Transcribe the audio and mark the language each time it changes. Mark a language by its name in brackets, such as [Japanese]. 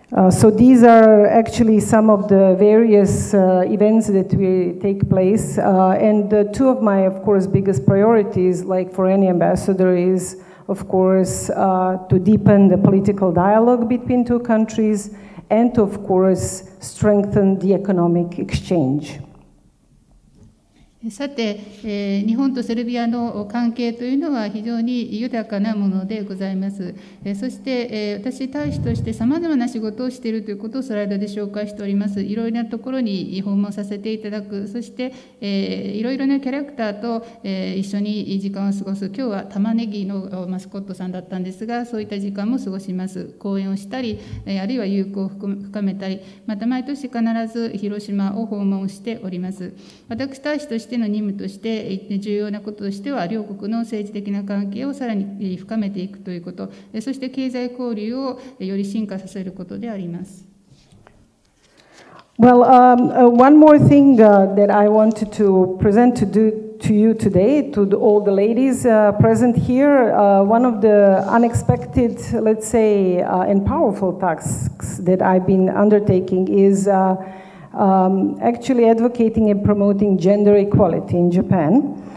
[English] So these are actually some of the various events that we take place. Two of my, of course, biggest priorities, like for any ambassador, is, of course, to deepen the political dialogue between two countries and to, of course, strengthen the economic exchange. [Japanese] さて、日本とセルビアの関係というのは非常に豊かなものでございます。そして私大使としてさまざまな仕事をしているということをスライドで紹介しております。いろいろなところに訪問させていただく、そしていろいろなキャラクターと一緒に時間を過ごす、今日は玉ねぎのマスコットさんだったんですが、そういった時間も過ごします。講演をしたり、あるいは友好を深めたり、また毎年必ず広島を訪問しております。私大使としての任務として、重要なこととしては両国の政治的な関係をさらに深めていくということ、そして経済交流をより深化させることであります。 [English] Well, one more thing that I wanted to present to you today, to all the ladies present here, one of the unexpected, let's say, and powerful tasks that I've been undertaking is actually advocating and promoting gender equality in Japan.